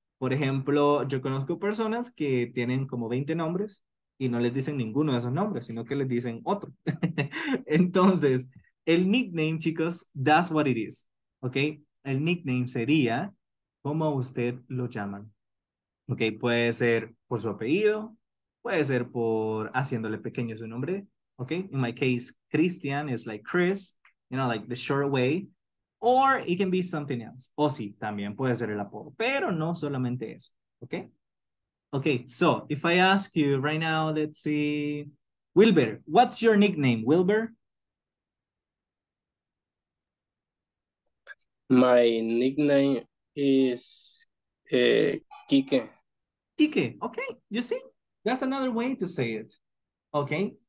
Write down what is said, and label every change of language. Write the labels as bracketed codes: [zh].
[es] Por ejemplo, yo conozco personas que tienen como 20 nombres y no les dicen ninguno de esos nombres, sino que les dicen otro. Entonces, el nickname, chicos, [en] that's what it is, [es] ok. El nickname sería cómo usted lo llaman. Ok, puede ser por su apellido, puede ser por haciéndole pequeño su nombre. [en] Okay, in my case, Christian is like Chris, you know, like the short way, or it can be something else. [es] O sí, también puede ser el apodo, pero no solamente eso, okay? [en] Okay, so if I ask you right now, let's see, Wilbur, what's your nickname, Wilbur? My nickname is Kike. Kike, okay, you see? That's another way to say it, okay?